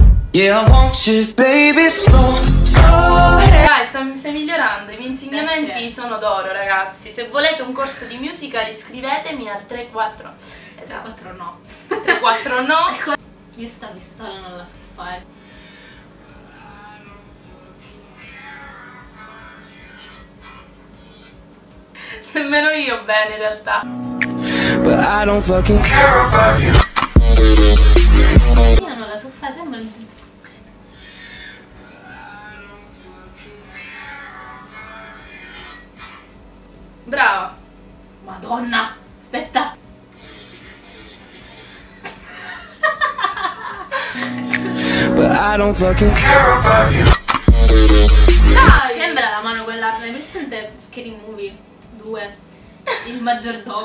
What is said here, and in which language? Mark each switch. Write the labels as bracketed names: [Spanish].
[English] Yeah, I want you, baby, slow, slow. [Italian] Dai, stai migliorando. I miei insegnamenti sono d'oro, ragazzi. Se volete un corso di musical, iscrivetemi al 3-4. Esatto. 4 no. 3-4 no. Ecco. Io sta pistola non la so fare. Nemmeno io bene, in realtà. [English] But I don't fucking care about you. [Italian] non la so fare, sembra. Brava! Madonna! Aspetta! [English] But I don't fucking care about you. [Italian] Dai, sembra la mano quella, hai presente Scary Movie 2, il maggiordomo